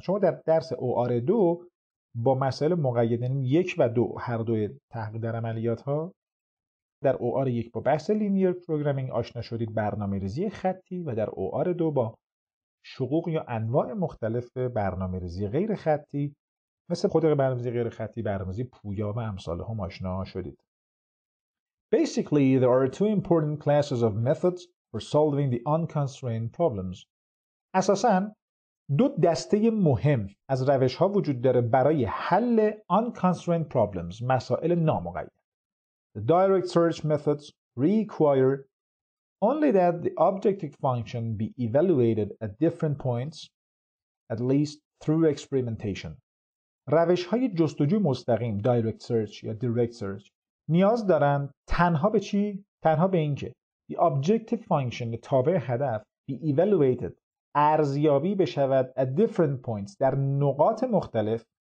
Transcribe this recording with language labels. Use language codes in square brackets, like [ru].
[fa] شما در درس OR2 با مسئله مقید، یعنی یک و دو، هر دوی تحقیق در عملیات ها، در OR1 با بحث لینیر پروگرامینگ آشنا شدید، برنامه ریزی خطی، و در OR2 با شقوق یا انواع مختلف برنامه ریزی غیر خطی، مثل خود برنامه ریزی غیر خطی، برنامه ریزی پویا و امثال هم آشنا شدید. [en] Basically, there are two important classes of methods for solving the unconstrained problems. [fa] اساساً دو دسته مهم از روش‌ها وجود داره برای حل [en] unconstrained problems، [fa] مسائل نامقید. [en] The direct search methods require only that the objective function be evaluated at different points, at least through experimentation. [fa] روش‌های جستجو مستقیم direct search یا direct search نیاز دارن تنها به چی؟ تنها به اینکه [en] the objective function، [fa] تابع هدف، [en] be evaluated، [fa] ارزیابی بشود [en] at different points، [fa] در نقاط مختلف.